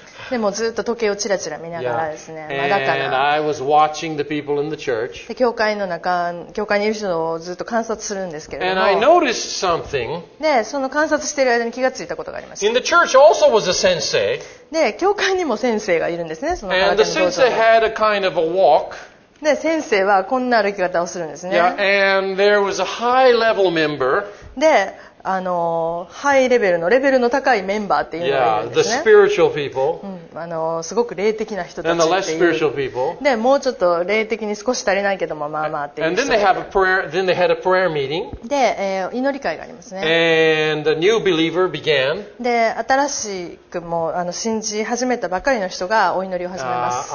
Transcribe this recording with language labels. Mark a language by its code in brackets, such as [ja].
[ja] でもずっと時計をちらちら見ながらですね、まあ、だから [en] And I was watching the people in the church. [ja] で教会の中教会にいる人をずっと観察するんですけれども [en] And I noticed something. [ja] でその観察している間に気がついたことがありました [en] In the church also was a sensei. [ja] で教会にも先生がいるんですね。その [en] And the sensei had a kind of a walk. [ja] で先生はこんな歩き方をするんですね。 [en] Yeah, and there was a high level member. [ja] でハイレベルのレベルの高いメンバーっていうのがいるんですね。 [en] Yeah, the spiritual people.、 [ja] すごく霊的な人たちっていう [en] And the less spiritual people. [ja] でもうちょっと霊的に少し足りないけどもまあまあっていう [en] And then they have a prayer, then they had a prayer meeting. [ja] で、祈り会がありますね。 [en] And a new believer began. [ja] で新しくもう信じ始めたばかりの人がお祈りを始めます。